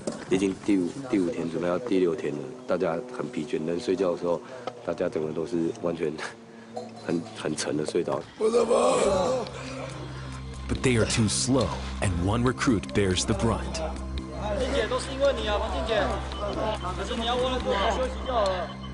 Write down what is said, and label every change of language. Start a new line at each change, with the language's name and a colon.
Chinese: 已经第五天，准备要第六天了。大家很疲倦，能睡觉的时候，大家整个都是完全很沉的睡着。我的妈！
English: But they are too slow, and one recruit bears the brunt.
Chinese: 静姐，都是因为你啊，王静姐。可是你要忘了做好休息就好了。